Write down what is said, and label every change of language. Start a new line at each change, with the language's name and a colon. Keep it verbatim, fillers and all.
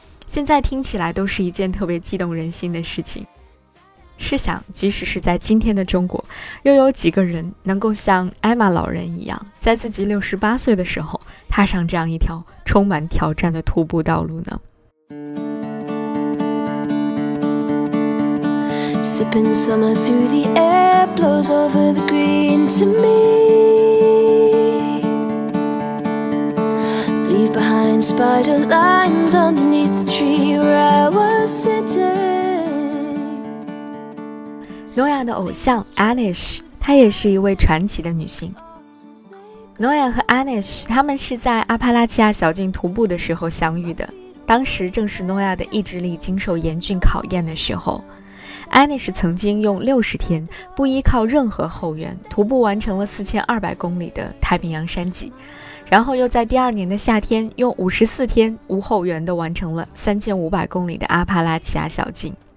Chinese: 现在听起来都是一件特别激动人心的事情。试想，即使是在今天的中国，又有几个人能够像艾玛老人一样，在自己六十八岁的时候踏上这样一条充满挑战的徒步道路呢？
English: Sipping summer through the air blows over the green to me. Leave behind spider lines underneath the tree where I was sitting.
Chinese: 诺亚的偶像 Anish， 她也是一位传奇的女性。诺亚和 Anish 他们是在阿帕拉契亚小径徒步的时候相遇的，当时正是诺亚的意志力经受严峻考验的时候。 Anish 曾经用六十天不依靠任何后援徒步完成了四千二百公里的太平洋山脊，然后又在第二年的夏天用五十四天无后援地完成了三千五百公里的阿帕拉契亚小径。